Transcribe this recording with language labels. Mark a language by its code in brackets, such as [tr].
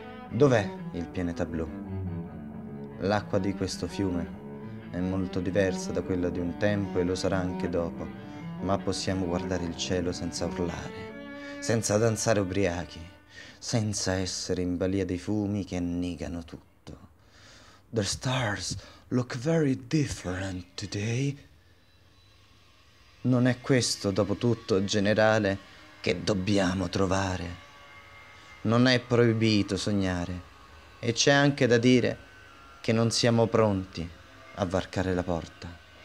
[it] Dov'è il pianeta blu? L'acqua di questo fiume è molto diversa da quella di un tempo e lo sarà anche dopo, ma possiamo guardare il cielo senza urlare, senza danzare ubriachi, senza essere in balia dei fumi che annegano tutto. [en] The stars look very different today. [it] Non è questo, dopo tutto, generale, che dobbiamo trovare. Non è proibito sognare, e c'è anche da dire che non siamo pronti a varcare la porta.